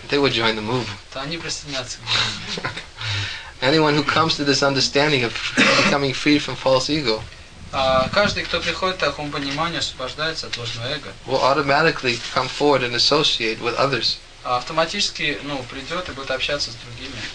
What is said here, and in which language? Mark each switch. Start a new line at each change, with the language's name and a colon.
English: they would join the movement.
Russian: То они присоединятся к
English: movement. Anyone who comes to this understanding of becoming free from false ego,
Russian: каждый, кто приходит к такому пониманию, освобождается от ложного эго,
English: will automatically come forward and associate with others.
Russian: Автоматически, ну, придет и будет общаться с другими.